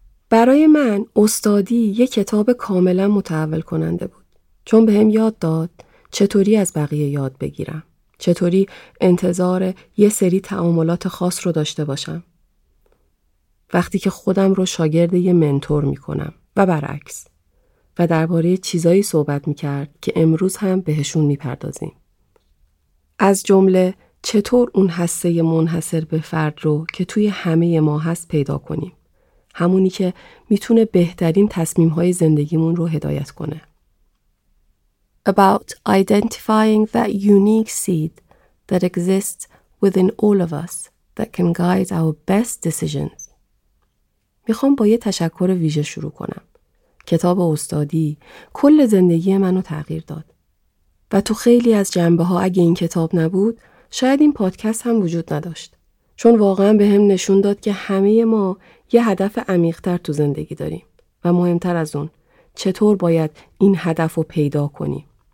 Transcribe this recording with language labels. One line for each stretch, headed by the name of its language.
Persian: برای من استادی یک کتاب کاملا متحول کننده بود، چون به هم یاد داد چطوری از بقیه یاد بگیرم، چطوری انتظار یه سری تعاملات خاص رو داشته باشم وقتی که خودم رو شاگرد یه منتور می کنم و برعکس، و درباره چیزایی صحبت می کرد که امروز هم بهشون می پردازیم. از جمله چطور اون حسه منحصر به فرد رو که توی همه ما هست پیدا کنیم، همونی که میتونه بهترین تصمیم‌های زندگیمون رو هدایت کنه.
English: About identifying that unique seed that exists within all of us that can guide our best decisions.
Persian: میخوام با یه تشکر ویژه شروع کنم. کتاب استادی کل زندگی منو تغییر داد. و تو خیلی از جنبه‌ها اگه این کتاب نبود، شاید این پادکست هم وجود نداشت، چون واقعا به هم نشون داد که همه ما یه هدف عمیق‌تر تو زندگی داریم و مهمتر از اون چطور باید این هدف رو پیدا کنیم.